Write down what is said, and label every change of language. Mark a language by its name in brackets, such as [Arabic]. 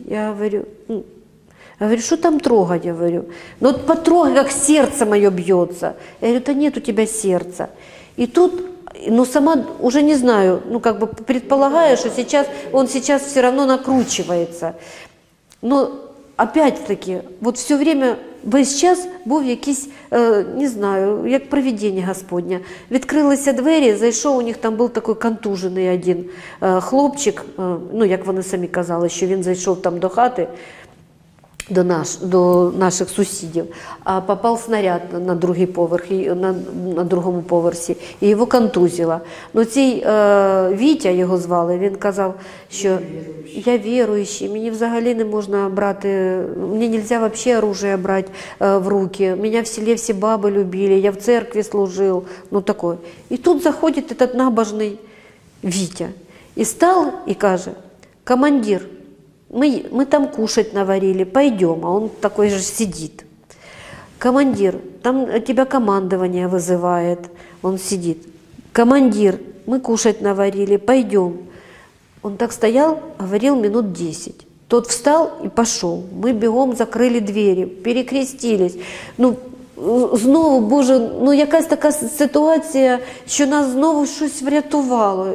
[Russian] Я говорю, что там трогать? Я говорю, ну вот потрогай, как сердце мое бьется. Я говорю, да нет у тебя сердца. И тут, ну сама уже не знаю, ну как бы предполагаю, что сейчас он сейчас все равно накручивается. Но опять-таки, вот все время. [Ukrainian] Весь час був якийсь, не знаю, як провидіння Господня. Відкрилися двері, зайшов, у них там був такий контужений один хлопчик, ну, як вони самі казали, що він зайшов там до хати, до наших сусідів, а попав снаряд на другий поверх, на другому поверсі, і його контузило. Ну, цей Вітя, його звали, він казав, що я віруючий, мені взагалі не можна брати, мені не можна взагалі оружие брати в руки, мене в селі всі баби любили, я в церкві служив, ну, такое. І тут заходить [Russian] этот набожний Вітя, [Ukrainian] і став, і каже, [Russian] командир, Мы там кушать наварили, пойдем, а он такой же сидит. Командир, там тебя командование вызывает, он сидит. Командир, мы кушать наварили, пойдем. Он так стоял, говорил минут 10. Тот встал и пошел. Мы бегом закрыли двери, перекрестились. [Ukrainian] Ну, знову, Боже, ну якась така ситуація, що нас знову щось врятувало.